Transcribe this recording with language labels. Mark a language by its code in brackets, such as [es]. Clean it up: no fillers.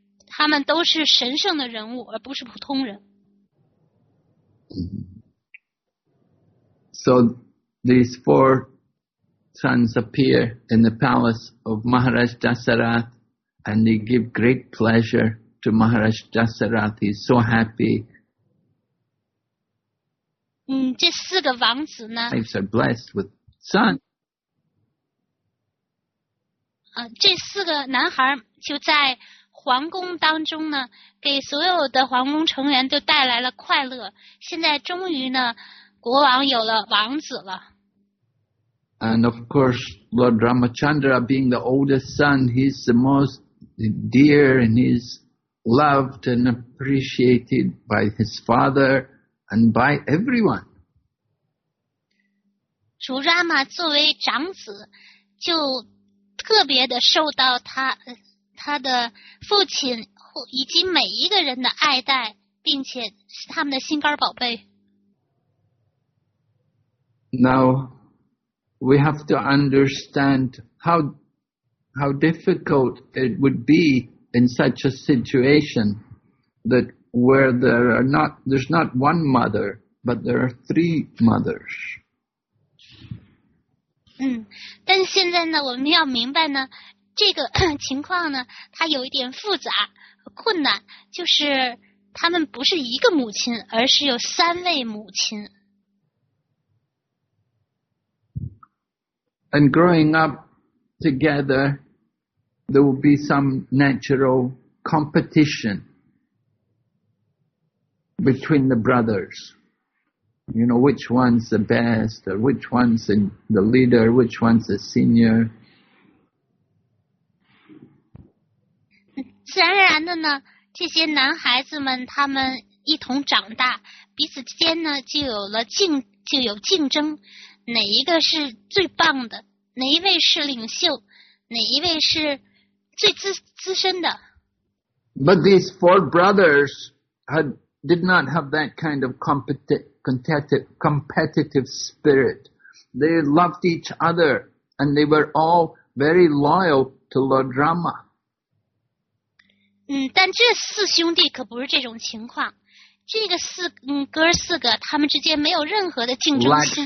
[zh] 他们都是神圣的人物，而不是普通人。 [en] So these four sons appear in the palace of Maharaj Dasarath, and they give great pleasure to Maharaj Dasarath. He's so happy. [zh] 这四个王子呢？ [en] Wives are blessed with sons. [zh] 这四个男孩就在皇宫当中呢，给所有的皇宫成员都带来了快乐。现在终于呢，国王有了王子了。 [en] And of course, Lord Ramachandra, being the oldest son, he's the most dear and he's loved and appreciated by his father and by everyone. [zh] 主拉玛作为长子，就特别的受到他的父亲以及每一个人的爱戴，并且是他们的心肝宝贝。 [en] Now, we have to understand how difficult it would be in such a situation that where there's not one mother, but there are three mothers. [zh] 但现在呢，我们要明白呢，这个情况呢，它有一点复杂困难，就是他们不是一个母亲，而是有三位母亲。 [en] And growing up together, there will be some natural competition between the brothers. You know, which one's the best, or which one's the leader, which one's the senior. [zh] 自然而然的呢，这些男孩子们他们一同长大，彼此之间呢就有竞争，哪一个是最棒的，哪一位是领袖，哪一位是最资深的。 [en] But these four brothers did not have that kind of competitive spirit. They loved each other and they were all very loyal to Lord Rama. [zh] 但这四兄弟可不是这种情况。这个四哥四个他们之间没有任何的竞争心。